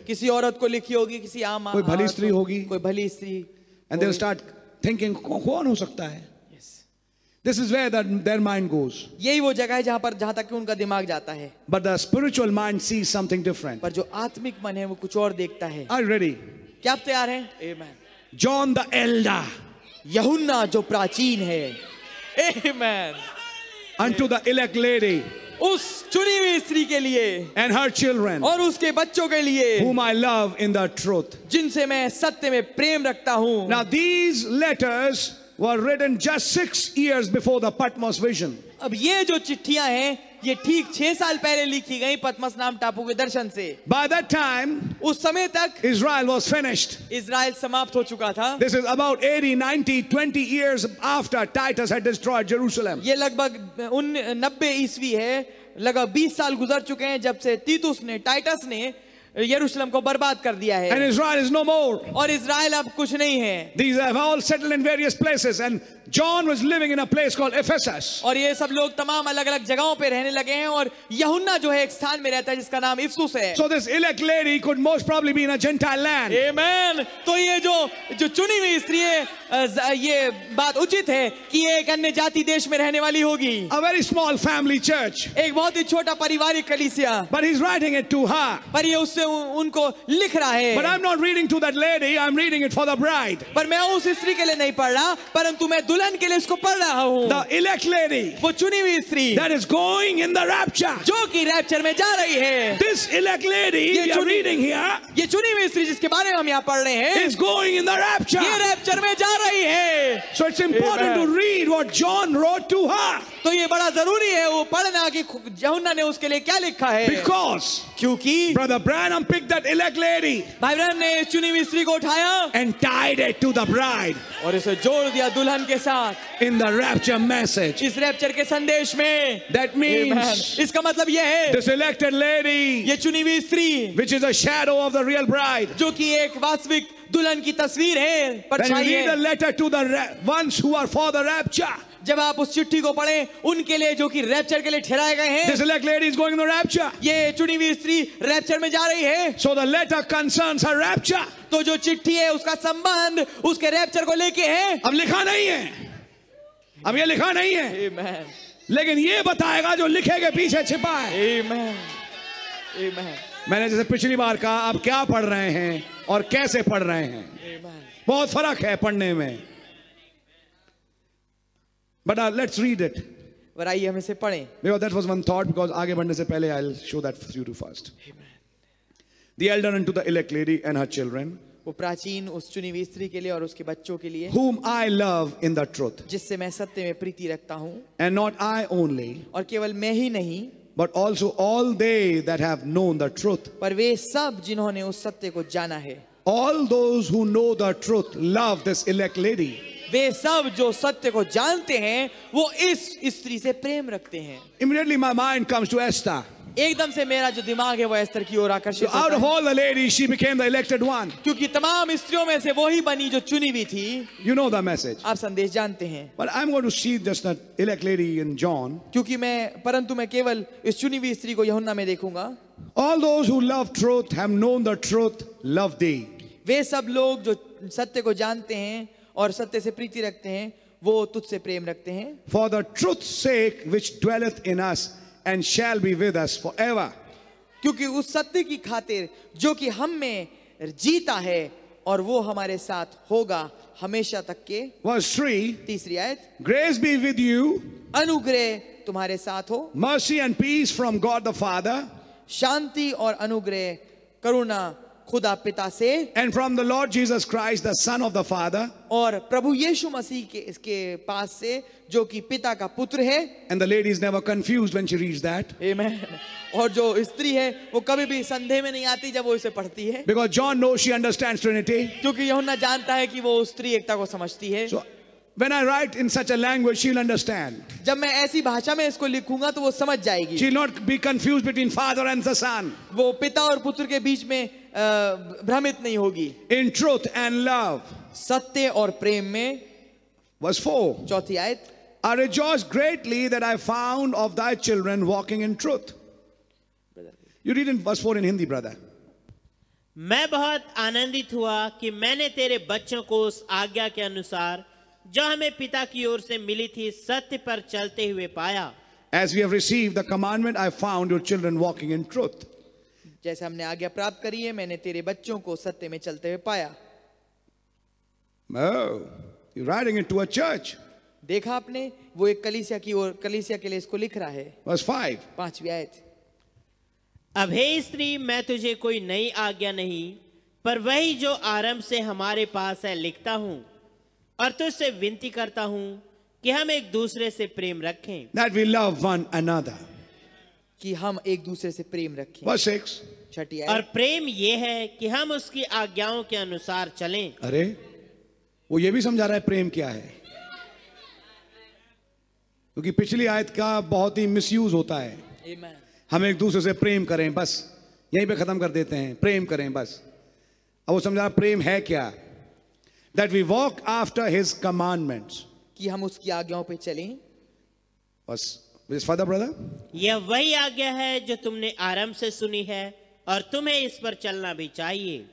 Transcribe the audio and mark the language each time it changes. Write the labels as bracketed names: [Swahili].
[Hindi] किसी औरत को लिखी होगी किसी आम कोई भली स्त्री होगी. कोई भली स्त्री. [English] And they'll start thinking [Hindi] कौन हो सकता है. [English] Yes. This is where their mind goes. [Hindi] यही वो जगह है जहाँ पर जहाँ तक उनका दिमाग जाता है. [English] But the spiritual mind sees something different. [Hindi] पर जो आत्मिक मन है वो कुछ और देखता है. [English] Are you ready? [Hindi] क्या आप तैयार हैं? [English] Amen. John the elder. [Hindi] यहुन्ना जो प्राचीन है. Amen. [English] Unto the elect lady. [Hindi] उस चुनी हुई स्त्री के लिए. [English] And her children. [Hindi] और उसके बच्चों के लिए. [English] Whom I love in the truth. [Hindi] जिनसे मैं सत्य में प्रेम रखता हूँ. [English] Now these letters were written just 6 years before the Patmos vision. [Hindi] अब ये जो चिट्ठियां हैं ये ठीक 6 साल पहले लिखी गई पद्मस नाम टापू के दर्शन से. [English] By that time, [Hindi] उस समय तक [English] Israel was finished. [Hindi] इज़राइल समाप्त हो चुका था. [English] This is about 80, 90, 20 years after Titus had destroyed Jerusalem. [Hindi] ये लगभग 90 ईस्वी है. लगभग 20 साल गुजर चुके हैं जब से तीतुस ने टाइटस ने यरूशलेम को बर्बाद कर दिया है. [English] And Israel is no more. [Hindi] और इज़राइल अब कुछ नहीं है. [English] These have all settled in various places and John was living in a place called Ephesus. [Hindi] और ये सब लोग तमाम अलग-अलग जगहों पे रहने लगे हैं और यहुन्ना जो है एक स्थान में रहता है जिसका नाम इफिसुस है. [English] So this elect lady could most probably be in a Gentile land. Amen. [Hindi] तो ये जो चुनी हुई स्त्री है ये बात उचित है कि ये एक अन्य जाति देश में रहने वाली होगी. [English] A very small family church. [Hindi] एक बहुत ही छोटा पारिवारिक कलीसिया. [English] But he's writing it to her. [Hindi] पर ये उससे उनको लिख रहा है. [English] But I'm not reading to that lady. I'm reading it for the bride. [Hindi] पर मैं उस स्त्री के लिए नहीं पढ़ रहा परंतु मैं दुल्हन के लिए इसको पढ़ रहा हूँ. [English] The elect lady. [Hindi] वो चुनी हुई स्त्री. [English] That is going in the rapture. [Hindi] जो कि रैप्चर में जा रही है. [English] This elect lady. [Hindi] ये चुनी हुई स्त्री. ये चुनी हुई स्त्री जिसके बारे में हम यहाँ पढ़ रहे हैं. [English] Is going in the rapture. [Hindi] ये रैप्चर में जा रही है. [English] So it's important to read what John wrote to her. [Hindi] तो ये बड़ा जरूरी है वो पढ़ना कि यहुन्ना ने उसके लिए क्या लिखा है. [English] Because. [Hindi] क्योंकि. [English] Brother Branham picked that elect lady. [Hindi] भाई ब्रैनम ने चुनी हुई स्त्री को उठाया. [English] And tied it to the bride. [Hindi] और इसे जोड़ दिया दुल्हन के साथ. [English] In the rapture message. [Hindi] इस रैप्चर के संदेश में. [English] That means. [Hindi] इसका मतलब ये है. [English] This elected lady. [Hindi] ये चुनी हुई स्त्री. [English] Which is a shadow of the real bride. [Hindi] जो कि एक वास्तविक दुल्हन की तस्वीर है. [English] Then read the letter to the ones who are for the rapture. [Hindi] जब आप उस चिट्ठी को पढ़ें उनके लिए जो कि रैप्चर के लिए ठहराए गए हैं. [English] This elect lady is going in the rapture. [Hindi] ये चुनी हुई स्त्री रैप्चर में जा रही है. [English] So the letter concerns her rapture. [Hindi] तो जो चिट्ठी है उसका संबंध उसके रैप्चर को लेके है. अब लिखा नहीं है. अब ये लिखा नहीं है. [English] Amen. [Hindi] लेकिन ये बताएगा जो लिखे के पीछे छिपा है. [English] Amen. Amen. [Hindi] मैंने जैसे पिछली बार कहा आप क्या पढ़ रहे हैं और कैसे पढ़ रहे हैं. [English] Amen. [Hindi] बहुत फर्क है पढ़ने में. [English] But let's read it. [Hindi] But आइए हम इसे पढ़ें. [English] Because that was one thought. Because [Hindi] आगे बढ़ने से पहले [English] I'll show that for you to first. Amen. The elder unto the elect lady and her children. [Hindi] वो प्राचीन उस चुनी हुई स्त्री के लिए और उसके बच्चों के लिए. [English] Whom I love in the truth. [Hindi] जिससे मैं सत्य में प्रीति रखता हूँ. [English] And not I only. [Hindi] और केवल मैं ही नहीं. [English] But also all they that have known the truth. [Hindi] पर वे सब जिन्होंने उस सत्य को जाना है. [English] All those who know the truth love this elect lady. [Hindi] वे सब जो सत्य को जानते हैं वो इस स्त्री से प्रेम रखते हैं. [English] Immediately my mind comes to Esther. [Hindi] एकदम से मेरा जो दिमाग है वो एस्तर की ओर आकर्षित होता है. [English] Out of all the ladies, she became the elected one. [Hindi] क्योंकि तमाम स्त्रियों में से वो ही बनी जो चुनी हुई थी. [English] You know the message. [Hindi] आप संदेश जानते हैं. [English] But I'm going to see just that elect lady in John. [Hindi] क्योंकि मैं केवल इस चुनी हुई स्त्री को यहुन्ना में देखूंगा. [English] All those who love truth have known the truth, love thee. [Hindi] वे सब लोग जो सत्य को जानते हैं और सत्य से प्रीति रखते हैं वो तुझसे प्रेम रखते हैं. [English] For the truth's sake which dwelleth in us and shall be with us forever. [Hindi] क्योंकि उस सत्य की खातिर जो कि हम में जीता है और वो हमारे साथ होगा हमेशा तक के. [English] Verse 3. [Hindi] तीसरी आयत. [English] Grace be with you. [Hindi] अनुग्रह तुम्हारे साथ हो. [English] Mercy and peace from God the Father. [Hindi] शांति और अनुग्रह करुणा खुदा पिता से. [English] And from the Lord Jesus Christ, the Son of the Father. [Hindi] और प्रभु यीशु मसीह के इसके पास से जो कि पिता का पुत्र है. [English] And the lady is never confused when she reads that. Amen. [Hindi] और जो स्त्री है वो कभी भी संदेह में नहीं आती जब वो इसे पढ़ती है. [English] Because John knows she understands Trinity. [Hindi] क्योंकि यूहन्ना जानता है कि वो स्त्री एकता को समझती है. [English] So, when I write in such a language, she'll understand. [Hindi] जब मैं ऐसी भाषा में इसको लिखूंगा तो वो समझ जाएगी. [English] She'll not be confused between father and the son. [Hindi] वो पिता और पुत्र के बीच में भ्रमित नहीं होगी. [English] In truth and love. [Hindi] सत्य और प्रेम में. [English] Verse 4. [Hindi] चौथी आयत. [English] I rejoice greatly that I found of thy children walking in truth. You read in verse 4 in Hindi, brother. [Hindi] मैं बहुत आनंदित हुआ कि मैंने तेरे बच्चों को उस आज्ञा के अनुसार जो हमें पिता की ओर से मिली थी सत्य पर चलते हुए पाया. [English] As we have received the commandment, I found your children walking in truth. [Hindi] जैसे हमने आज्ञा प्राप्त करी है मैंने तेरे बच्चों को सत्य में चलते हुए पाया. [English] Oh, you're writing it to a church. [Hindi] देखा आपने वो एक कलीसिया की ओर कलीसिया के लिए इसको लिख रहा है. [English] Verse 5. [Hindi] पांचवी आयत. अब हे स्त्री मैं तुझे कोई नई आज्ञा नहीं पर वही जो आरंभ से हमारे पास है लिखता हूं और तुझसे विनती करता हूं कि हम एक दूसरे से प्रेम रखें. [English] That we love one another. [Hindi] कि हम एक दूसरे से प्रेम रखें. [English] Verse 6. [Hindi] छठी आयत. और प्रेम ये है कि हम उसकी आज्ञाओं के अनुसार चलें. अरे वो ये भी समझा रहा है प्रेम क्या है, क्योंकि पिछली आयत का बहुत ही मिसयूज होता है. [English] Amen. [Hindi] हम एक दूसरे से प्रेम करें, बस यहीं पे खत्म कर देते हैं, प्रेम करें बस. अब वो समझा प्रेम है क्या. [English] That we walk after his commandments. [Hindi] कि हम उसकी आज्ञाओं पे चलें. बस विस फादर ब्रदर. यह वही आज्ञा है जो तुमने आरंभ से सुनी है और तुम्हें इस पर चलना भी चाहिए.